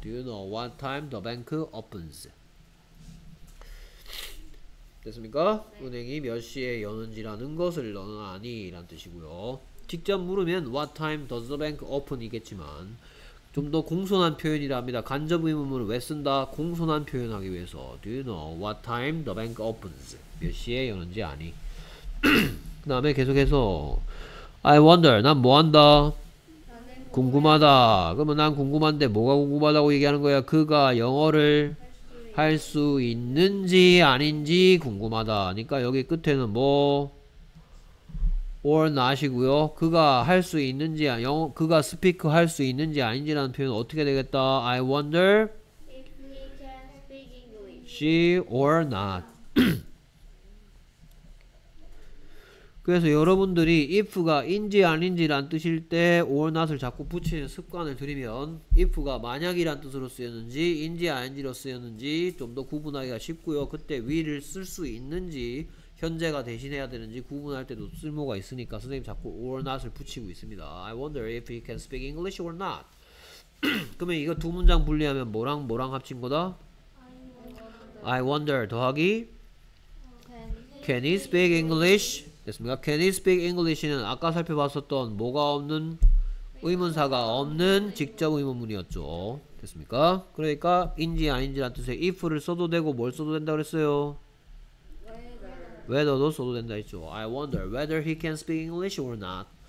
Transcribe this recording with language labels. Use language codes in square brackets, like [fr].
[en] Do you know what time the bank opens? [ko] 됐습니까? 네. 은행이 몇 시에 여는지라는 것을 너는 아니 라는 뜻이고요. 직접 물으면 [en] what time does the bank open [ko] 이겠지만 좀 더 공손한 표현이라 합니다. 간접 의문문을 왜 쓴다? 공손한 표현하기 위해서. [en] Do you know what time the bank opens? [ko] 몇 시에 여는지 아니. 그 다음에 계속해서 [en] I wonder. [ko] 난 뭐한다? 궁금하다. 그러면 난 궁금한데 뭐가 궁금하다고 얘기하는 거야? 그가 영어를 할 수 있는지 아닌지 궁금하다. 그러니까 여기 끝에는 뭐 or not이고요. 그가 할 수 있는지 영어 그가 speak 할 수 있는지 아닌지라는 표현 어떻게 되겠다. [en] I wonder if he can speak English. She or not. [ko] 그래서 여러분들이 if가 인지 아닌지란 뜻일 때 or not을 자꾸 붙이는 습관을 들이면 if가 만약이란 뜻으로 쓰였는지 인지 아닌지로 쓰였는지 좀 더 구분하기가 쉽고요. 그때 will을 쓸 수 있는지 현재가 대신해야 되는지 구분할 때도 쓸모가 있으니까 선생님 자꾸 or not을 붙이고 있습니다. [en] I wonder if he can speak English or not. [ko] 그러면 이거 두 문장 분리하면 뭐랑 뭐랑 합친 거다? [en] I wonder 더하기 can he speak English? 됐습니까? Can he speak English [ko] 는 아까 살펴봤었던 뭐가 없는 의문사가 없는 직접 의문문이었죠. 됐습니까? 그러니까 인지 아닌지란 뜻에 if를 써도 되고 뭘 써도 된다 그랬어요. whether도 써도 된다 했죠. [en] I wonder whether he can speak English or not.